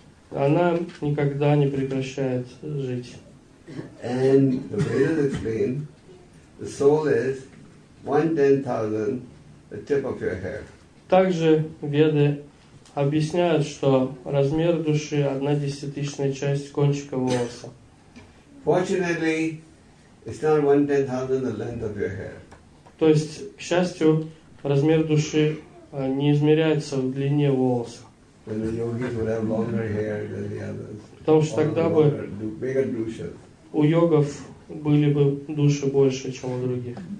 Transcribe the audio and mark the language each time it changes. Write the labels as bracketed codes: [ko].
[ru] Она никогда не прекращает жить. [en] The soul is 1/10,000, the tip of your hair. [ru] Также веды объясняют, что размер души 1/10,000 часть кончика волоса. [en] Fortunately, it's not 1/10,000 the length of your hair. [ru] То есть, к счастью, размер души не измеряется в длине волоса. [en] Then the yogis would have longer hair than the others. [ru] Потому что тогда бы у йогов были бы души больше, чем у других.